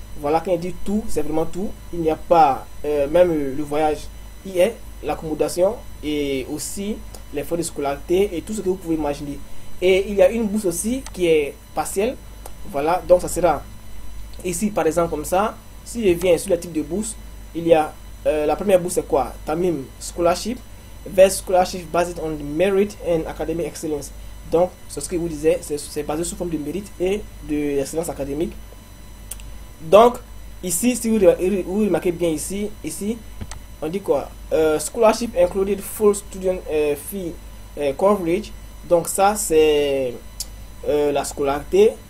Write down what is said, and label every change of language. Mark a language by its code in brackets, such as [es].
[fr] Voilà, quand il dit tout, c'est vraiment tout. Il n'y a pas, même le voyage, il y est, l'accommodation et aussi les frais de scolarité et tout ce que vous pouvez imaginer. Et il y a une bourse aussi qui est partielle. Voilà, donc ça sera Ici, par exemple, comme ça, si je viens sur le type de bourse, il y a la première bourse, c'est quoi? [en] Tamim Scholarship, vest scholarship based on the merit and academic excellence. [fr] Donc, c'est ce que vous disiez, c'est basé sous forme de mérite et de l'excellence académique. Donc, ici, si vous remarquez bien ici, on dit quoi? [en] Scholarship included full student fee coverage. [fr] Donc, ça, c'est la scolarité.